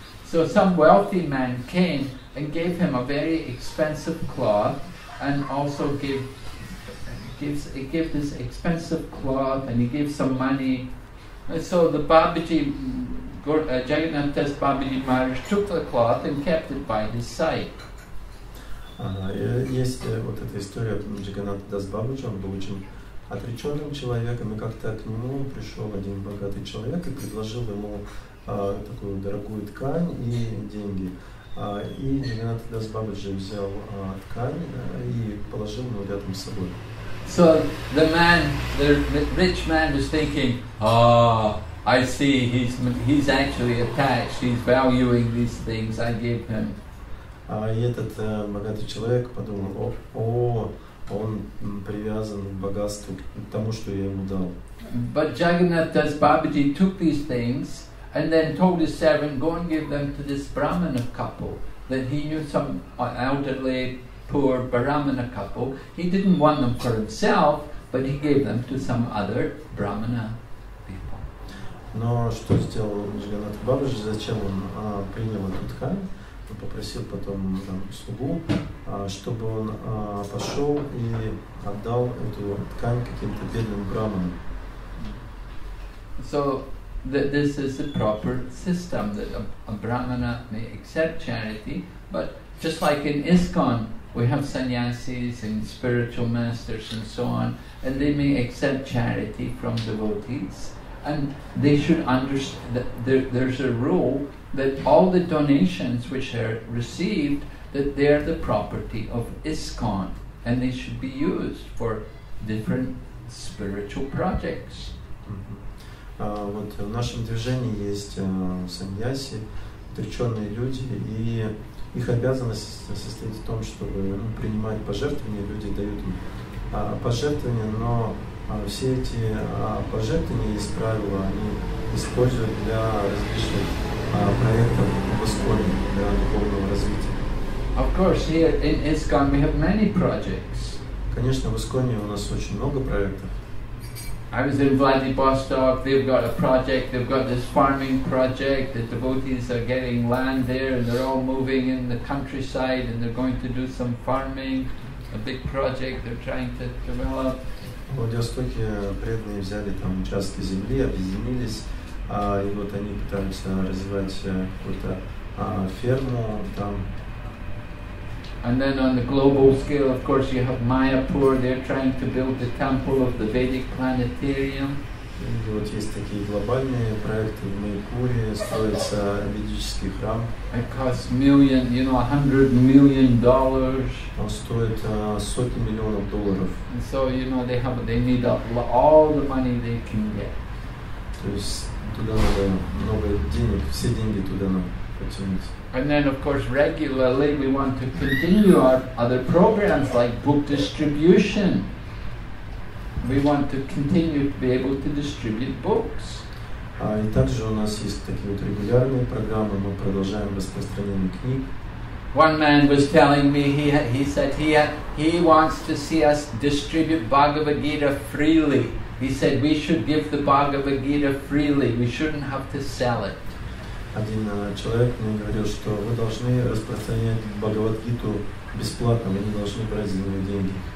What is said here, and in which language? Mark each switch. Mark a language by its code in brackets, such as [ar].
[en] So some wealthy man came and gave him a very expensive cloth and also gave this expensive cloth and he gave some money. So the Babaji, Jagannath Das Babaji Maharaj took the cloth and kept it by his side. [ru] Есть вот эта история о Джаганнат Дас Бабаджи, он был очень отреченным человеком, и как-то к нему пришел один богатый человек и предложил ему такую дорогую ткань и деньги. И Джаганнат Дас Бабаджи взял ткань и положил его рядом с собой. [en] So the man, the rich man, was thinking, I see, he's actually attached. He's valuing these things I gave him. [ru] И этот богатый человек подумал, он привязан к богатству, к тому, что я ему дал. [en] But Jagannath Das Babaji took these things and then told his servant, go and give them to this brahmana couple that he knew some elderly. Poor brahmana couple. He didn't want them for himself, but he gave them to some other brahmana people. [ru] Но что сделал Джаганнат Бабаджи? Зачем он принял эту ткань? Попросил потом там слугу, чтобы он пошел и отдал эту ткань каким-то бедным брахманам. [en] So this is a proper system that a brahmana may accept charity, but just like in ISKCON. We have sannyasis and spiritual masters and so on, and they may accept charity from devotees. And they should understand that there's a rule that all the donations which are received, that they are the property of ISKCON, and they should be used for different spiritual projects. [ru] Вот в нашем движении есть сannyasi, отреченные люди, и их обязанность состоит в том, чтобы принимать пожертвования, люди дают им пожертвования, но все эти пожертвования, есть правила, они используют для различных проектов в ИСКОНе, для духовного развития. [en] Of course, here in ISKCON we have many projects. [ru] Конечно, в ИСКОНе у нас очень много проектов. [en] I was in Vladivostok, they've got a project, they've got this farming project, the devotees are getting land there and they're all moving in the countryside and they're going to do some farming, a big project they're trying to develop. [ru] В Владивостоке преданные взяли там участки земли, объединились, и вот они пытаются развивать какую-то ферму там. [en] And then on the global scale, of course, you have Mayapur, they're trying to build the temple of the Vedic planetarium. [ru] И вот есть такие глобальные проекты, в Майкуре строится ведический храм. [en] It costs million, you know, $100 million. [ru] Он стоит сотни миллионов долларов. [en] And so, you know, they need all the money they can get. [ru] То есть туда надо много денег, все деньги туда надо потянуть. [en] And then, of course, regularly we want to continue our other programs like book distribution. We want to continue to be able to distribute books. [ru] И также у нас есть такие вот регулярные программы. Мы продолжаем распространение книг. [en] One man was telling me he said he wants to see us distribute Bhagavad Gita freely. He said we should give the Bhagavad Gita freely. We shouldn't have to sell it. [ru] Один человек мне говорил, что вы должны распространять Бхагавад-гиту бесплатно. Вы не должны брать за него деньги.